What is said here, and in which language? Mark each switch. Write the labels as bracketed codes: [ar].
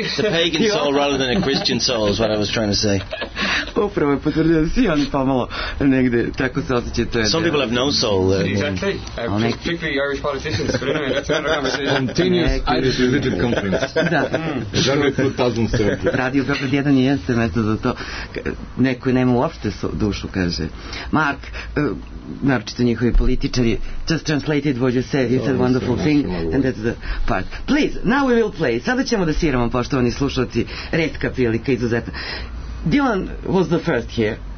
[en] pagan soul rather than a Christian soul is what I was trying to say. [sr] Upravo je potvrdio, svi oni pomalo negde tako se osjeća. To je [en] some people have no soul. Exactly. Particularly Irish politicians, but anyway, that's another conversation. Continuous Irish religion conference. [sr] Da. Žarno je 2007. Radio Beograd 1 i jeste mesto za to. Neko je nema uopšte dušu, kaže. [en] Mark, [sr] naročito njihovi političari, [en] just translated what you said, you said wonderful thing, and that's the part. Please, now we will play. [sr] Sada ćemo da sviramo, poštovani slušalci, retka prilika, izuzetna. [en] Dylan was the first here.